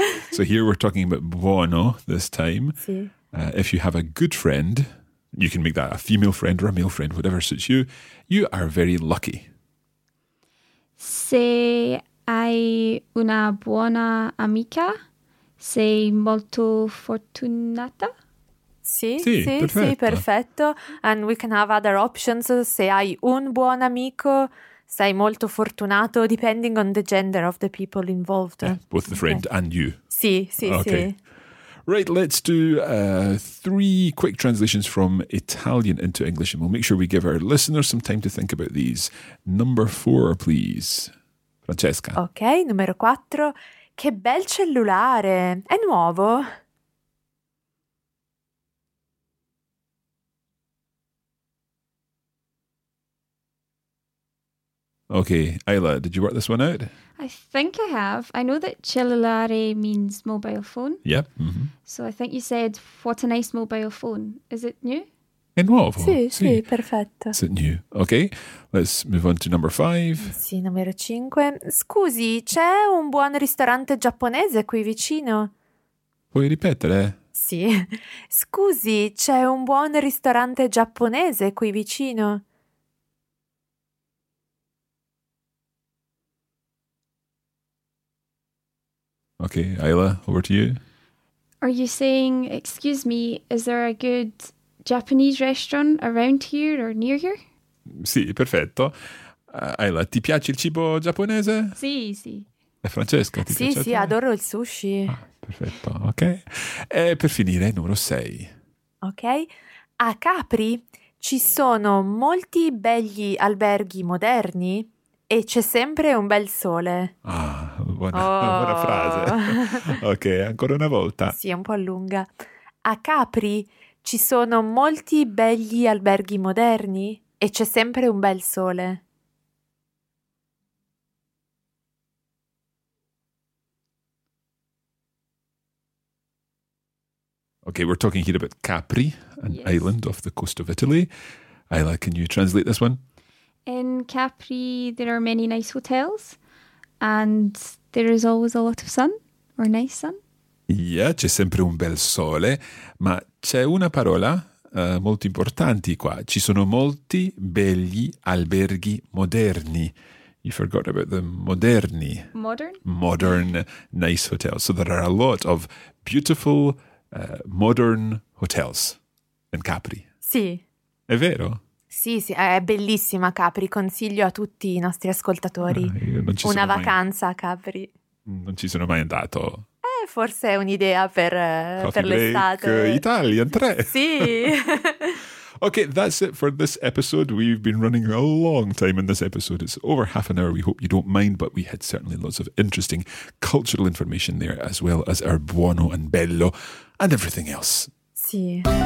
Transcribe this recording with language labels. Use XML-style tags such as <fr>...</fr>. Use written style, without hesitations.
<en>So here we're talking about buono this time.</en> <it>Sì.</it> <en>If you have a good friend, you can make that a female friend or a male friend, whatever suits you. You are very lucky.</en> <it>Se hai una buona amica, sei molto fortunata. Sì, perfetto.</it> <en>And we can have other options.</en> <it>Se hai un buon amico, sei molto fortunato,</it> <en>depending on the gender of the people involved. Yeah, both the friend and you.</en> <it>Sì.</it> <en>Right, let's do three quick translations from Italian into English, and we'll make sure we give our listeners some time to think about these. Number four, please. Francesca. Okay,</en> <it>numero quattro. Che bel cellulare! È nuovo?</it> <en>Okay, Ayla, did you work this one out? I think I have. I know that cellulare means mobile phone. Yep. Mm-hmm. So I think you said, what a nice mobile phone. Is it new?</en> <it>È nuovo. Sì, perfetto.</it> <en>Is it new? Okay, let's move on to number five.</en> <it>Sì, numero cinque. Scusi, c'è un buon ristorante giapponese qui vicino? Puoi ripetere? Sì. Scusi, c'è un buon ristorante giapponese qui vicino?</it> <en>Okay, Ayla, over to you. Are you saying, excuse me, is there a good Japanese restaurant around here or near here?</en> <it>Sì, perfetto. Ayla, ti piace il cibo giapponese? Sì. E Francesca, ti piace? Sì, adoro il sushi. Ah, perfetto,</it> <en>okay.</en> <it>E per finire, numero 6.</it> <en>Okay.</en> <it>A Capri ci sono molti begli alberghi moderni E c'è sempre un bel sole. Ah, buona frase. Ok, ancora una volta. Sì, un po' lunga. A Capri ci sono molti belli alberghi moderni e c'è sempre un bel sole.</it> <en>Okay, we're talking here about Capri, an yes. island off the coast of Italy. Ayla, can you translate this one? In Capri, there are many nice hotels and there is always a lot of sun or nice sun. Yeah,</en> <it>c'è sempre un bel sole, ma c'è una parola molto importante qua. Ci sono molti belli alberghi moderni.</it> <en>You forgot about the moderni. Modern? Modern nice hotels. So there are a lot of beautiful modern hotels in Capri.</en> <it>Sì. È vero? Sì, sì, è bellissima Capri. Consiglio a tutti i nostri ascoltatori una vacanza a Capri. Non ci sono mai andato. Forse è un'idea per l'estate.</it> <en>Italian 3.</en> <it>Sì.</it> <en>Okay, that's it for this episode. We've been running a long time in this episode. It's over half an hour. We hope you don't mind, but we had certainly lots of interesting cultural information there, as well as our buono and bello and everything else.</en> <it>Sì.</it>